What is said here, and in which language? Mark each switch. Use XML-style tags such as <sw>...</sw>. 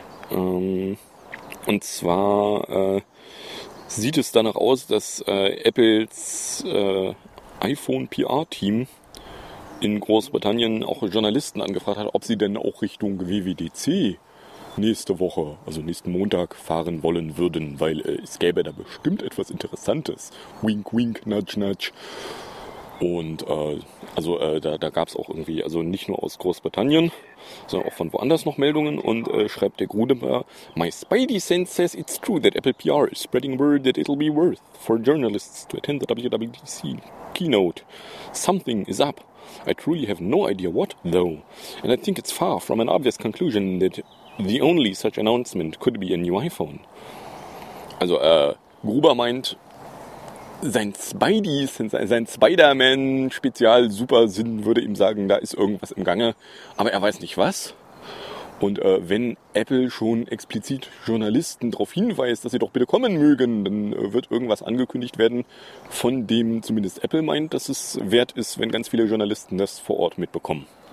<de>Und zwar sieht es danach aus, dass Apples iPhone-PR-Team in Großbritannien auch Journalisten angefragt hat, ob sie denn auch Richtung WWDC nächste Woche, also nächsten Montag, fahren wollen würden, weil es gäbe da bestimmt etwas Interessantes.</de> <en>Wink, wink, nudge, nudge.</en> <de>Und da gab es auch irgendwie, also nicht nur aus Großbritannien, sondern auch von woanders noch Meldungen. Und schreibt der Grudemer,</de> <en>my spidey sense says it's true that Apple PR is spreading word that it'll be worth for journalists to attend the WWDC keynote. Something is up. I truly have no idea what, though. And I think it's far from an obvious conclusion that the only such announcement could be a new iPhone.</en> <de>Also, Gruber meint, sein Spider-Man-Spezial-Supersinn würde ihm sagen, da ist irgendwas im Gange. Aber er weiß nicht was. Und wenn Apple schon explizit Journalisten darauf hinweist, dass sie doch bitte kommen mögen, dann wird irgendwas angekündigt werden, von dem zumindest Apple meint, dass es wert ist, wenn ganz viele Journalisten das vor Ort mitbekommen.</de>